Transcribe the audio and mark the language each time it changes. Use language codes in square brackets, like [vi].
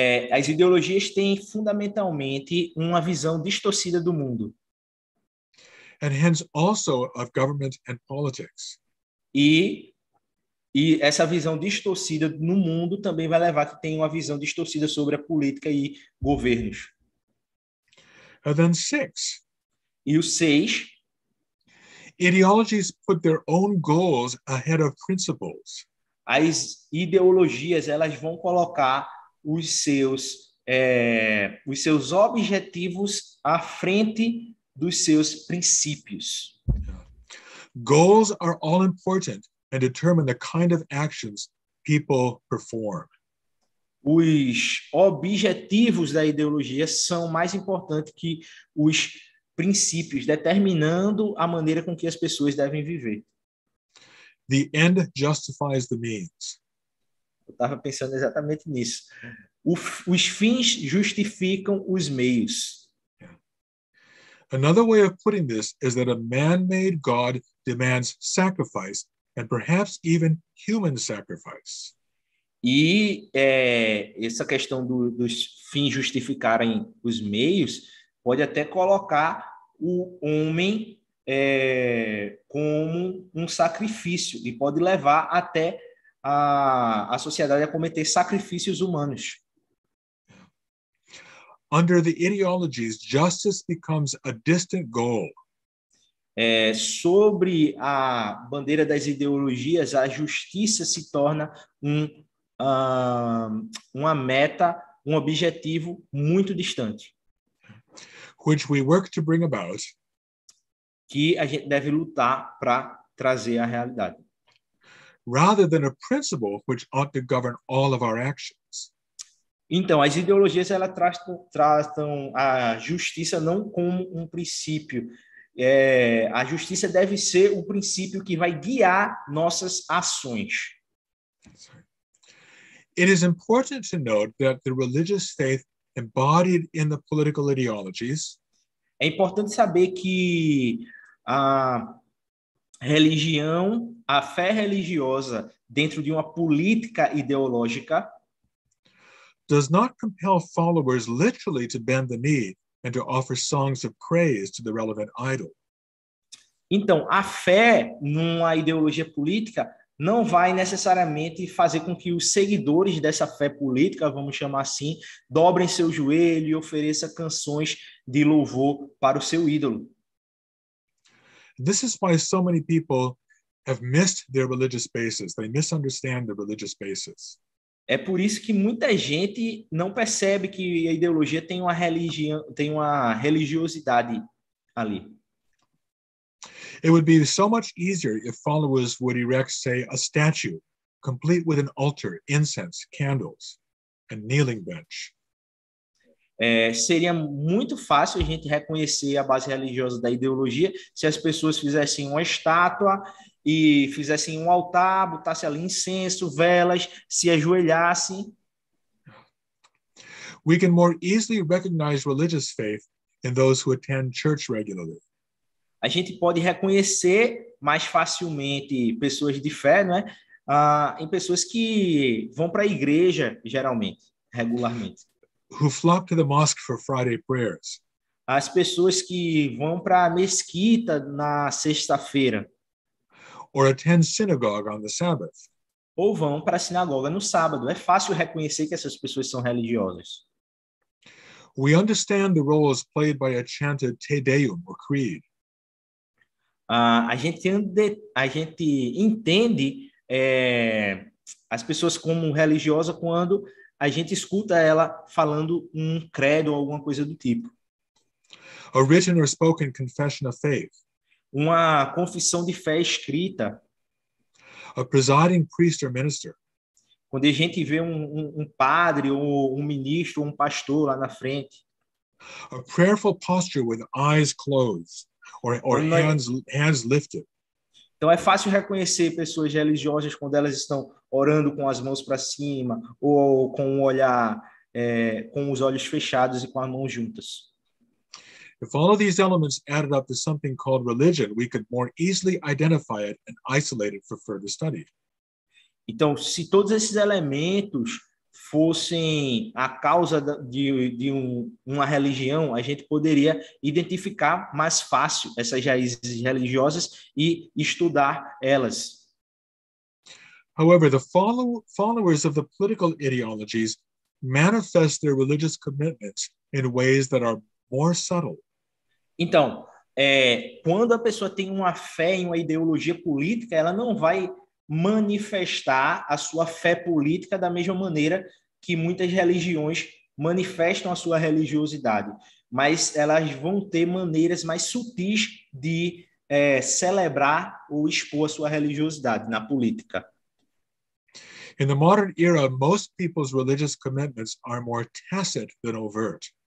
[pt] as ideologias têm fundamentalmente uma visão distorcida do mundo. [en] And hence also of government and politics. [pt] E essa visão distorcida no mundo também vai levar que tenha uma visão distorcida sobre a política e governos. [en] And then six. [pt] E o seis. [en] Ideologies put their own goals ahead of principles. [pt] As ideologias, elas vão colocar os seus objetivos à frente dos seus princípios. [en] Goals are all important and determine the kind of actions people perform. [pt] Os objetivos da ideologia são mais importantes que os princípios, determinando a maneira com que as pessoas devem viver. [en] The end justifies the means. [pt] Eu estava pensando exatamente nisso. Os fins justificam os meios. [en] Another way of putting this is that a man-made God demands sacrifice and perhaps even human sacrifice. [pt] E essa questão dos fins justificarem os meios pode até colocar o homem como um sacrifício e pode levar até a sociedade a cometer sacrifícios humanos. [en] Under the ideologies, justice becomes a distant goal. [pt] Sobre a bandeira das ideologias, a justiça se torna uma meta, um objetivo muito distante. [en] Which we work to bring about. [pt] Que a gente deve lutar para trazer à realidade. [en] Rather than a principle which ought to govern all of our actions. [pt] Então, as ideologias elas tratam a justiça não como um princípio. A justiça deve ser o princípio que vai guiar nossas ações. [en] It is important to note that the religious faith embodied in the political ideologies. [pt] É importante saber que a religião, a fé religiosa dentro de uma política ideológica [en] does not compel followers literally to bend the knee and to offer songs of praise to the relevant idol. [pt] Então, a fé numa ideologia política não vai necessariamente fazer com que os seguidores dessa fé política, vamos chamar assim, dobrem seu joelho e ofereçam canções de louvor para o seu ídolo. [en] This is why so many people have missed their religious bases. They misunderstand their religious bases. [pt] É por isso que muita gente não percebe que a ideologia tem uma religião, tem uma religiosidade ali. [en] It would be so much easier if followers would erect, say, a statue complete with an altar, incense, candles, and kneeling bench. [pt] Seria muito fácil a gente reconhecer a base religiosa da ideologia se as pessoas fizessem uma estátua e fizessem um altar, botassem ali incenso, velas, se ajoelhassem. [en] We can more easily recognize religious faith in those who attend church regularly. [pt] A gente pode reconhecer mais facilmente pessoas de fé, não é? Em pessoas que vão para a igreja, geralmente, regularmente. [en] Who flock to the mosque for Friday prayers. [pt] As pessoas que vão para a mesquita na sexta-feira. [en] Or attend synagogue on the Sabbath. [pt] Ou vão para a sinagoga no sábado. É fácil reconhecer que essas pessoas são religiosas. [en] We understand the roles played by a chanted Te Deum or creed. [pt] A gente entende as pessoas como religiosa quando a gente escuta ela falando um credo ou alguma coisa do tipo. [en] A written or spoken confession of faith. [pt] Uma confissão de fé escrita. [en] A presiding priest or minister. [pt] Quando a gente vê um padre ou um ministro ou um pastor lá na frente. [en] A prayerful posture with eyes closed or hands lifted. [pt] Então é fácil reconhecer pessoas religiosas quando elas estão orando com as mãos para cima ou com um olhar com os olhos fechados e com as mãos juntas. [en] If all of these elements added up to something called religion, we could more easily identify it and isolate it for further study. [pt] Então, se todos esses elementos fossem a causa de uma religião, a gente poderia identificar mais fácil essas raízes religiosas e estudar elas. [en] However, the followers of the political ideologies manifest their religious commitments in ways that are more subtle. [pt] Então, quando a pessoa tem uma fé em uma ideologia política, ela não vai manifestar a sua fé política da mesma maneira que muitas religiões manifestam a sua religiosidade, mas elas vão ter maneiras mais sutis de celebrar ou expor a sua religiosidade na política. [en] In the modern era, most people's religious commitments are more tacit than overt.